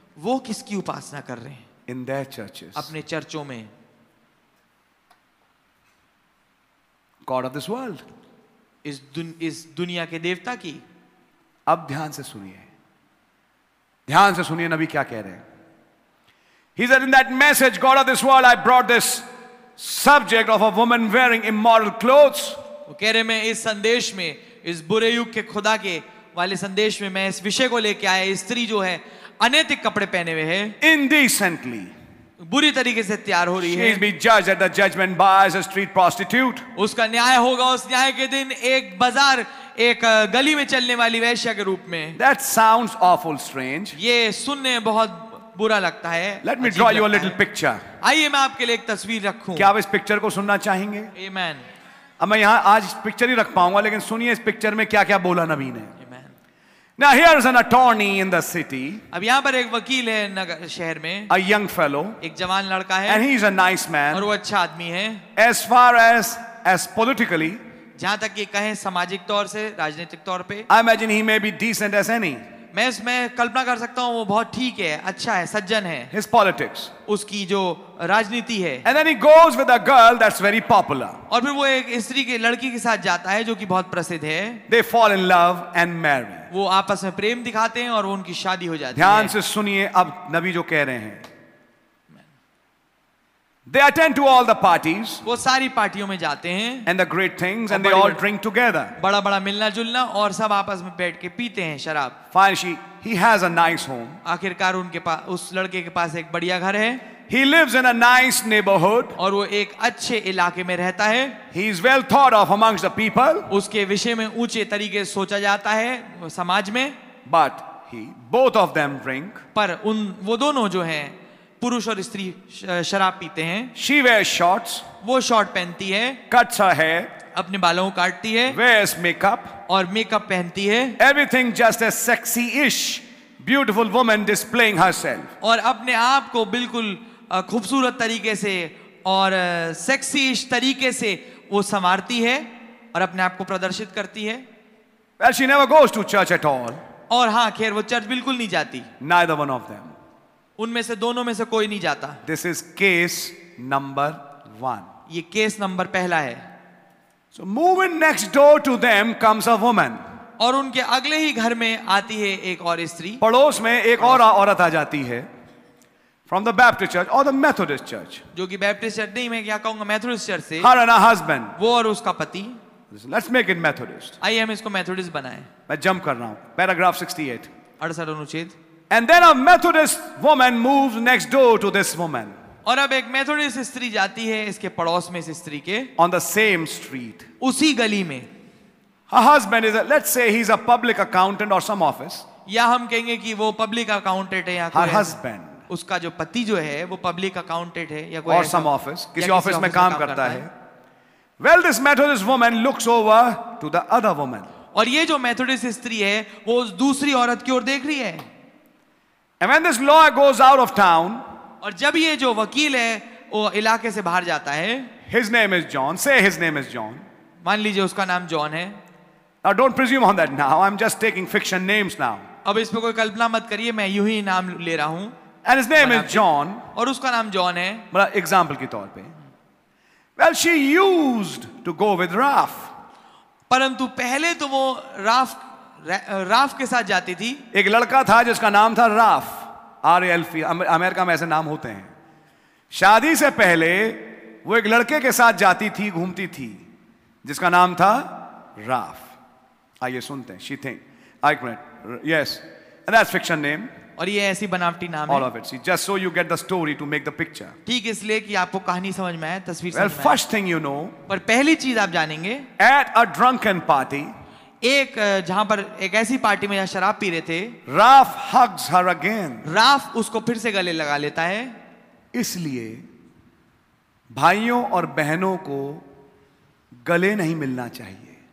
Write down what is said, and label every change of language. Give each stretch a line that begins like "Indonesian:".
Hindi: वो किसकी उपासना कर रहे हैं?
English: in their churches,
Hindi: अपने चर्चों में।
English: God of this world,
Hindi: इस दुनिया के देवता की। अब ध्यान से सुनिए, ध्यान से सुनिए नबी क्या कह रहे हैं।
English: He said in that message, God of this world, I brought this subject of a woman wearing immoral clothes.
Hindi: वो कह रहे मैं इस संदेश में, इस बुरे युग के खुदा के वाले संदेश में, मैं इस विषय को लेके आया, स्त्री जो है अनैतिक कपड़े पहने हुए है।
English: Indecently.
Hindi: बुरी तरीके से तैयार हो रही है।
English: She is judged at the judgment by as a street prostitute.
Hindi: उसका न्याय होगा उस न्याय के दिन एक बाजार, एक गली में चलने वाली वैश्या के रूप में।
English: That sounds awful strange.
Hindi: ये सुनने बहुत बुरा लगता है।
English: Let me draw you a little picture.
Hindi: आइए मैं आपके लिए एक तस्वीर रखूं। क्या आप इस पिक्चर को सुनना चाहेंगे?
English: Amen.
Hindi: अब मैं यहाँ आज पिक्चर ही रख पाऊंगा, लेकिन सुनिए इस पिक्चर में क्या क्या बोला नबी ने।
English: Now here is an attorney in the city.
Hindi: अब यहाँ पर एक वकील है नगर शहर में।
English: A young fellow.
Hindi: एक जवान लड़का है।
English: And he is a nice man.
Hindi: और वो अच्छा आदमी है।
English: As far as politically.
Hindi: जहाँ तक ये कहें सामाजिक तौर से, राजनीतिक तौर पे।
English: I imagine he may be decent as any.
Hindi: मैं कल्पना कर सकता हूँ वो बहुत ठीक है, अच्छा है, सज्जन है।
English: His politics.
Hindi: उसकी जो राजनीति है।
English: And then he goes with a girl that's very popular.
Hindi: और फिर वो एक स्त्री के लड़की के साथ जाता है जो कि बहुत प्रसिद्ध है।
English: They fall in love and marry.
Hindi: वो आपस में प्रेम दिखाते हैं और वो उनकी शादी हो जाती ध्यान है। ध्यान से सुनिए अब नबी जो कह रहे हैं।
English: They attend to all the parties.
Hindi: वो सारी पार्टियों में जाते हैं।
English: And the great things, and they all drink together.
Hindi: बड़ा बड़ा मिलना जुलना और सब आपस में बैठ के पीते हैं शराब।
English: Finally, he has a nice home.
Hindi: आखिरकार उनके पास, उस लड़के के पास एक बढ़िया घर है।
English: He lives in a nice neighborhood.
Hindi: और वो एक अच्छे इलाके में रहता है.
English: He is well thought of amongst the people.
Hindi: उसके विषय में ऊंचे तरीके सोचा जाता है समाज में.
English: But he, both of them drink.
Hindi: पर उन वो दोनों जो हैं पुरुष और स्त्री शराब पीते हैं.
English: She wears shorts.
Hindi: वो शॉर्ट पहनती है.
English: Cuts her hair.
Hindi: अपने बालों को काटती है.
English: Wears makeup.
Hindi: और मेकअप पहनती है.
English: Everything just as sexy-ish. Beautiful woman displaying herself.
Hindi: और अपने आप को बिल्कुल खूबसूरत तरीके से और सेक्सीश तरीके से वो संवारती है और अपने आप को प्रदर्शित करती है.
English: Well, she never goes to church at all.
Hindi: और हाँ, खैर वो चर्च बिल्कुल नहीं जाती.
English: Neither one of them.
Hindi: उनमें से दोनों में से कोई नहीं जाता.
English: This is case number one.
Hindi: ये केस नंबर पहला है.
English: So moving next door to them comes a woman.
Hindi: और उनके अगले ही घर में आती है एक और स्त्री. पड़ोस में एक और औरत आ जाती है.
English: From the Baptist church or the Methodist church.
Hindi: जो कि Baptist church नहीं, मैं क्या कहूँगा Methodist church से.
English: Her and her husband.
Hindi: वो और उसका पति.
English: Let's make it Methodist.
Hindi: आइए हम इसको Methodist बनाएं. मैं jump कर रहा हूँ.
English: Paragraph 68.
Hindi: 68 अनुच्छेद.
English: And then a Methodist woman moves next door to this woman.
Hindi: और अब एक Methodist स्त्री जाती है इसके पड़ोस में इस स्त्री के.
English: On the same street.
Hindi: उसी गली में.
English: A husband is a, let's say he's a public accountant or some office.
Hindi: या हम कहेंगे कि वो public accountant है या
English: कोई. Her husband.
Hindi: उसका जो पति जो है वो public accountant है या
English: कोई. Or some office.
Hindi: किसी office में काम करता है.
English: Well, this Methodist woman looks over to the other woman.
Hindi: और ये जो Methodist स्त्री है वो उस दूसरी औरत की ओर देख रही है.
English: And when this lawyer goes out of town.
Hindi: और जब ये जो वकील है वो इलाके से बाहर जाता है.
English: His name is John. Say his name is John.
Hindi: मान लीजिए उसका नाम जॉन है.
English: Now don't presume on that now. I'm just taking fiction names now.
Hindi: अब इस पे कोई कल्पना मत करिए, मैं यूं ही नाम ले रहा हूं.
English: And his name is John.
Hindi: और उसका नाम जॉन है. मतलब एग्जांपल के तौर पे.
English: Well, she used to go with Raf.
Hindi: परंतु पहले तो वो राफ राफ के साथ जाती थी. एक लड़का था जिसका नाम था राफ.
English: R-A-L-F-E.
Hindi: अमेरिका में ऐसे नाम होते हैं. शादी से पहले वो एक लड़के के साथ जाती थी, घूमती थी, जिसका नाम था राफ. आइए सुनते हैं.
English: She think.
Hindi: एक minute.
English: Yes. And that's fiction name.
Hindi: और ये ऐसी बनावटी नाम
English: है. All of it. See, just so you get the story to make the picture.
Hindi: ठीक, इसलिए कि आपको कहानी समझ में आए, तस्वीर समझ में आए.
English: First thing you know.
Hindi: पर पहली चीज आप जानेंगे.
English: At a drunken party.
Hindi: एक जहां पर एक ऐसी पार्टी में जहां शराब पी रहे थे.
English: Raf hugs her again.
Hindi: Raf उसको फिर से गले लगा लेता है. इसलिए भाइयों और बहनों को गले नहीं मिलना चाहिए.